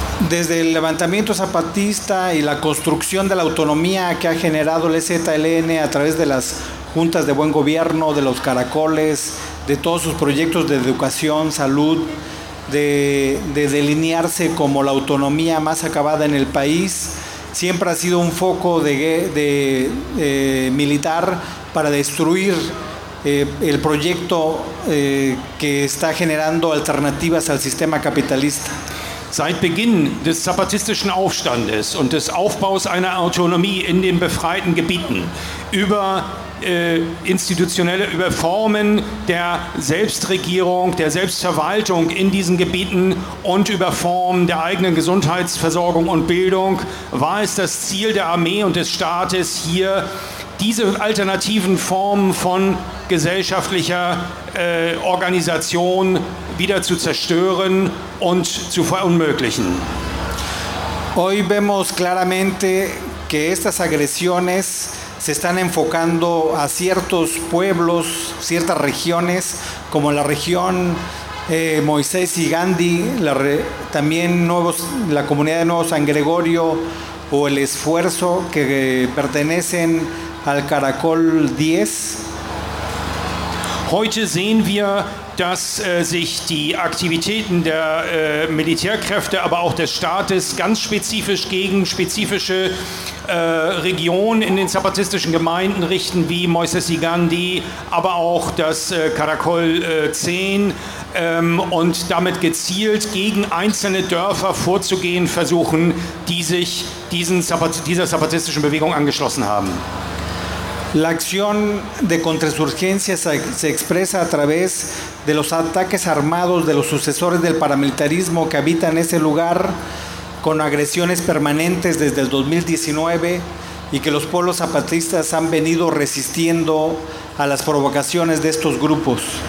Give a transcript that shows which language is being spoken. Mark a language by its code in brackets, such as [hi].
[es] Desde el levantamiento zapatista y la construcción de la autonomía que ha generado el EZLN a través de las juntas de buen gobierno, de los caracoles, de todos sus proyectos de educación, salud, de delinearse como la autonomía más acabada en el país, siempre ha sido un foco militar para destruir el proyecto que está generando alternativas al sistema capitalista. [de] Seit Beginn des zapatistischen Aufstandes und des Aufbaus einer Autonomie in den befreiten Gebieten über institutionelle, über Formen der Selbstregierung, der Selbstverwaltung in diesen Gebieten und über Formen der eigenen Gesundheitsversorgung und Bildung war es das Ziel der Armee und des Staates, hier diese alternativen Formen von gesellschaftlicher Organisation wieder zu zerstören und zu verunmöglichen. [es] Hoy vemos claramente que estas agresiones se están enfocando a ciertos pueblos, ciertas regiones, como la región Moisés y Gandhi, también nuevos, la comunidad de Nuevo San Gregorio o el esfuerzo que pertenecen al Caracol 10. [de] Heute sehen wir, dass sich die Aktivitäten der Militärkräfte, aber auch des Staates ganz spezifisch gegen spezifische Regionen in den zapatistischen Gemeinden richten, wie Moisés y Gandhi, aber auch das Caracol 10 und damit gezielt gegen einzelne Dörfer vorzugehen versuchen, die sich dieser zapatistischen Bewegung angeschlossen haben. [es] La acción de contrainsurgencia se expresa a través de los ataques armados de los sucesores del paramilitarismo que habitan ese lugar con agresiones permanentes desde el 2019 y que los pueblos zapatistas han venido resistiendo a las provocaciones de estos grupos.